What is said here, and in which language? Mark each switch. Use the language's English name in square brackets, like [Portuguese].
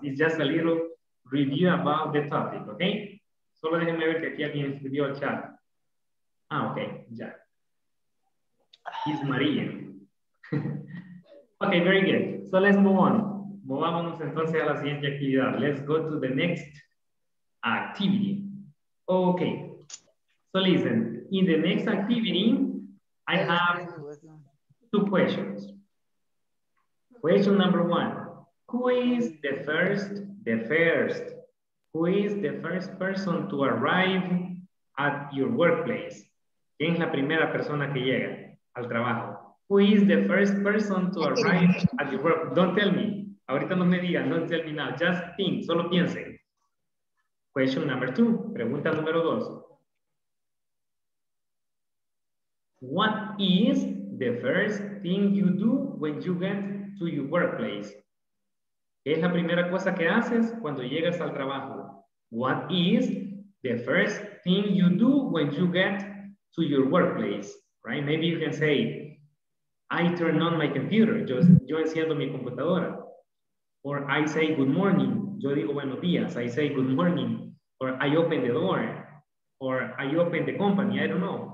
[English] It's just a little review about the topic, okay? [Spanish] Solo déjenme ver que aquí alguien escribió el chat. [English] Ah, okay, ya. It's María. Okay, very good. So let's move on. [Spanish] Movámonos entonces a la siguiente actividad. [English] Let's go to the next activity. Okay. So listen, in the next activity, I have two questions. Question number one, Who is the first? The first. Who is the first person to arrive at your workplace? [Spanish] ¿Quién es la primera persona que llega al trabajo? [English] Who is the first person to arrive at your work? Don't tell me. [Spanish] Ahorita no me digan. [English] Don't tell me now. Just think. [Spanish] Solo piensen. [English] Question number two. [Spanish] Pregunta número dos. [English] What is the first thing you do when you get to your workplace? [Spanish] ¿Qué es la primera cosa que haces cuando llegas al trabajo? [English] What is the first thing you do when you get to your workplace? Right? Maybe you can say, I turn on my computer. [Spanish] Yo enciendo mi computadora. [English] Or I say good morning. [Spanish] Yo digo buenos días. [English] I say good morning. Or I open the door. Or I open the company. I don't know.